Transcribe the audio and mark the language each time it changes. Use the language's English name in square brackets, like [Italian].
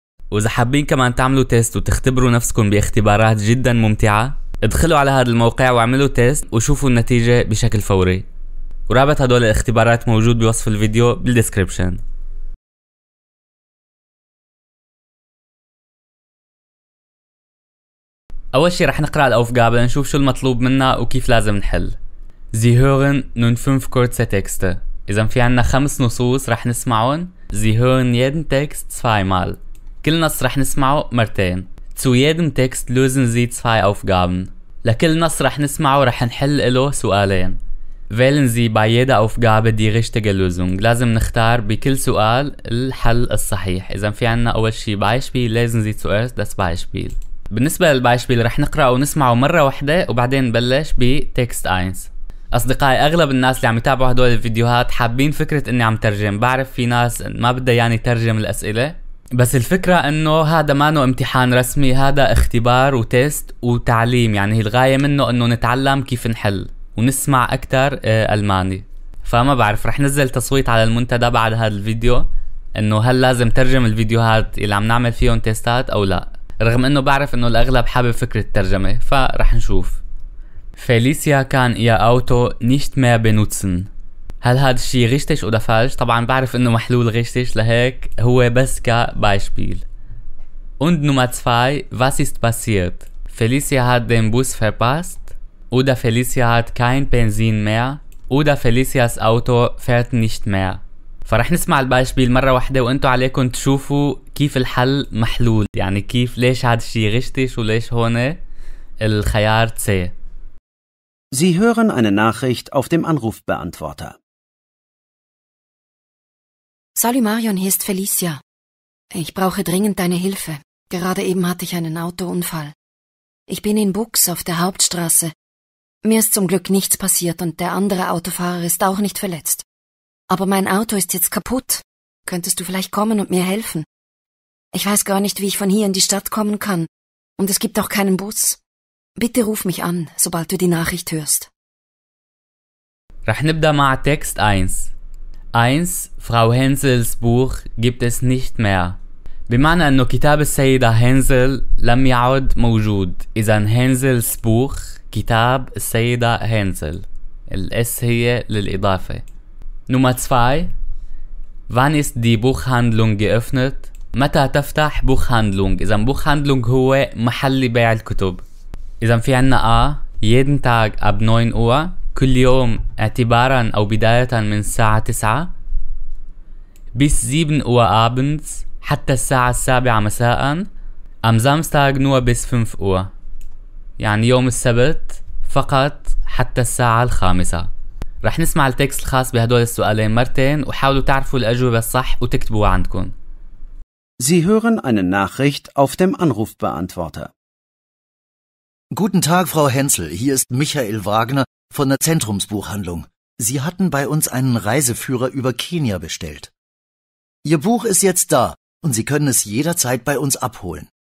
[Arabic] وإذا حابين كمان تعملوا تيست وتختبروا نفسكم باختبارات جدا ممتعة، ادخلوا على هذا الموقع واعملوا تيست وشوفوا النتيجة بشكل فوري، ورابط هدول الاختبارات موجود بوصف الفيديو بالديسكريبشن. أول شي رح نقرأ الأوفغابل نشوف شو المطلوب منا وكيف لازم نحل. [German] Sie hören nun 5 kurze Texte. [Arabic] إذا في عنا 5 نصوص رح نسمعهم. [German] Sie hören jeden Text zweimal. [Arabic] كل نص رح نسمعه مرتين. [German] Zu jedem Text lösen Sie 2 Aufgaben. [Arabic] لكل نص رح نسمعه رح نحل له سؤالين. [German] Wählen Sie bei jeder Aufgabe die richtige Lösung. [Arabic] لازم نختار بكل سؤال الحل الصحيح. إذا في عنا أول شيء [German] Beispiel, lesen Sie zuerst das Beispiel. [Arabic] بالنسبة للبايشبيل رح نقرأه ونسمعه مرة واحدة وبعدين نبلش بتكست أينس. أصدقائي، أغلب الناس اللي عم يتابعوا هدول الفيديوهات حابين فكرة إني عم ترجم. بعرف في ناس ما بدها يعني ترجم الأسئلة، بس الفكرة إنه هذا ما إنه امتحان رسمي، هذا اختبار وتيست وتعليم، يعني هي الغاية منه إنه نتعلم كيف نحل ونسمع أكتر ألماني. فما بعرف، رح نزل تصويت على المنتدى بعد هذا الفيديو إنه هل لازم ترجم الفيديوهات اللي عم نعمل فيهم تيستات أو لا، رغم إنه بعرف إنه الأغلب حابب فكرة الترجمة، فرح نشوف. [German] فيليسيا كان يا أوتو نيشت ما بنوتسن. [Arabic] هل هذا الشيء غشتش ولا فالش؟ طبعا بعرف انه محلول غشتش، لهيك هو بس كبايشبيل. [German] Und Nummer 2, was ist passiert? Felicia hat den Bus verpasst oder Felicia hat kein Benzin mehr oder Felicias Auto fährt nicht mehr. [Arabic] فرح نسمع البايشبيل مرة واحدة وانتو عليكم تشوفوا كيف الحل محلول، يعني كيف ليش هذا الشيء غشتش وليش هون الخيار C. [German] Sie hören eine Nachricht auf dem Anrufbeantworter. Salut Marion, hier ist Felicia. Ich brauche dringend deine Hilfe. Gerade eben hatte ich einen Autounfall. Ich bin in Bux auf der Hauptstraße. Mir ist zum Glück nichts passiert und der andere Autofahrer ist auch nicht verletzt. Aber mein Auto ist jetzt kaputt. Könntest du vielleicht kommen und mir helfen? Ich weiß gar nicht, wie ich von hier in die Stadt kommen kann. Und es gibt auch keinen Bus. Bitte ruf mich an, sobald du die Nachricht hörst. [Arabic] Rach nibda ma Text 1. 1. [German] Frau Hensels Buch gibt es nicht mehr. [Arabic] بمعنى انه كتاب السيدة هنزل لم يعد موجود. اذا هنزلز بوخ، كتاب السيدة هنزل. الاس هي للاضافة. [German] Nummer 2. Wann ist die Buchhandlung geöffnet? [Arabic] متى تفتح Buchhandlung؟ اذا Buchhandlung هو محل بيع الكتب. اذا في عنا A. [German] Jeden Tag ab 9 Uhr. [Arabic] كل يوم اعتبارا او بداية من الساعة 9. [German] Bis 7 Uhr abends. [Arabic] حتى الساعة 7 مساء. [German] Am Samstag nur bis 5 Uhr. [Arabic] يعني يوم السبت فقط حتى الساعة 5. رح نسمع التكست الخاص بهدول السؤالين مرتين وحاولوا تعرفوا الأجوبة الصح وتكتبوها عندكم. [German] Sie hören eine Nachricht auf dem Anrufbeantworter. Guten Tag, Frau Hensel. Hier ist Michael Wagner von der Zentrumsbuchhandlung. Sie hatten bei uns einen Reiseführer über Kenia bestellt. Ihr Buch ist jetzt da und Sie können es jederzeit bei uns abholen.